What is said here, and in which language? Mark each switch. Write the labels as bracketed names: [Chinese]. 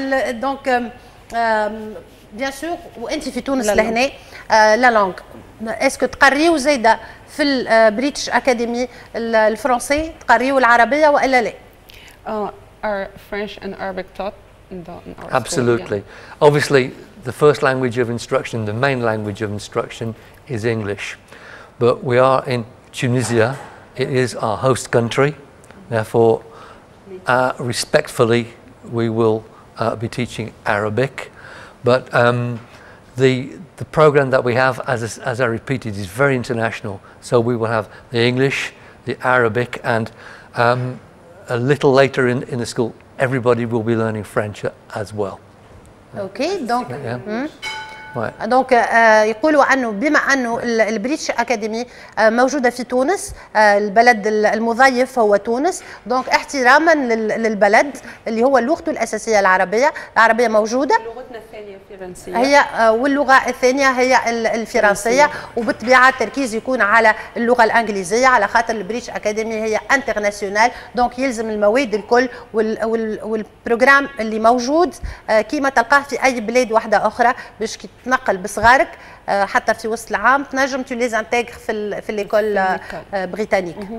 [Arabic] دونك بيان سور وأنت في تونس لهنا لا لونغ اسكو تقريو زيدا في البريتش أكاديمي الفرنسي تقريو العربية وإلا لا؟ [English] Are French and Arabic taught in our school? Absolutely. Yeah. Obviously, the first language of instruction, the main language of instruction, is English. But we are in Tunisia, It is our host country. Therefore, respectfully, we will be teaching Arabic. But the program that we have, as I repeated, is very international. So we will have the English, the Arabic, and a little later in the school, everybody will be learning French as well. Okay, donc. Yeah. Right. [Arabic] Donc يقولوا أنه بما أنه البريتش أكاديمي موجودة في تونس البلد المضيف هو تونس دونك احتراما للبلد اللي هو لغته الأساسية العربية موجودة هي واللغة الثانية هي الفرنسية وبالطبيعة التركيز يكون على اللغة الإنجليزية على خاطر البريتش أكاديمي هي انترناسيونال دونك يلزم المواد الكل والبروجرام اللي موجود كيما تلقاه في أي بلاد واحدة أخرى باش تنقل بصغارك حتى في وسط العام تنجم توليز انتيغر [French] في ليكول بريتانيك